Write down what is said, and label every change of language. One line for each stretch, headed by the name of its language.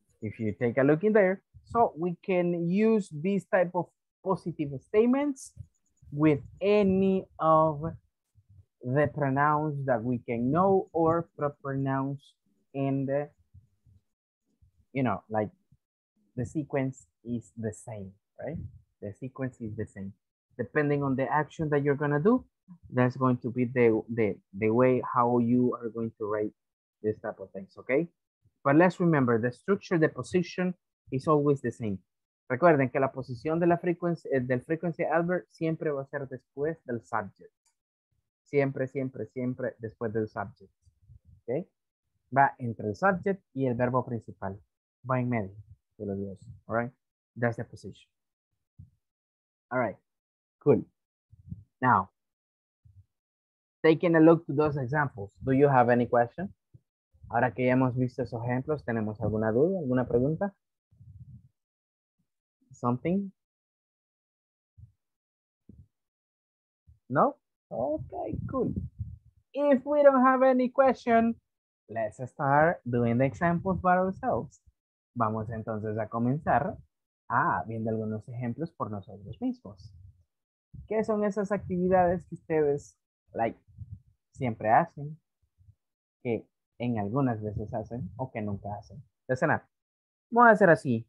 English: If you take a look in there, so we can use these type of positive statements with any of the pronouns that we can know or proper nouns in the, you know, like the sequence is the same, right? The sequence is the same. Depending on the action that you're gonna do, that's going to be the way how you are going to write this type of things, okay? But let's remember, the structure, the position is always the same.
Spanish: Recuerden que la posición de la frequency adverb siempre va a ser después del subject. Siempre, siempre, siempre después del subject, okay? Va entre el subject y el verbo principal. Va en medio de los dos,
English: all right? That's the position. All right, cool. Now, taking a look to those examples, do you have any question? Ahora que ya hemos visto esos ejemplos, ¿tenemos alguna duda, alguna pregunta? Something? No? Okay, cool. If we don't have any question, let's start doing the examples by ourselves.
Spanish: Vamos entonces a comenzar viendo algunos ejemplos por nosotros mismos. ¿Qué son esas actividades que ustedes like siempre hacen, que en algunas veces hacen o que nunca hacen?
English: Listen up.
Spanish: Vamos a hacer así.